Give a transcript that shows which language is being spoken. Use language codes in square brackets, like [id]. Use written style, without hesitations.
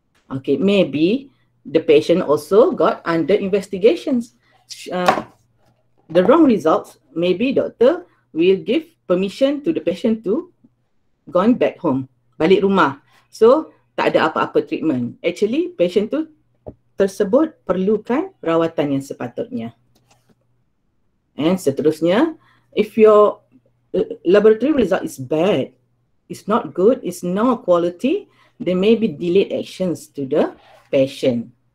[en] Okay, maybe the patient also got under investigations. The wrong results, maybe doctor will give permission to the patient to going back home, [ms] balik rumah. So, tak ada apa-apa treatment. Actually, patient tu tersebut perlukan rawatan yang sepatutnya. [en] And seterusnya, if your laboratory result is bad, it's not good, it's no quality, there may be delayed actions to the patient.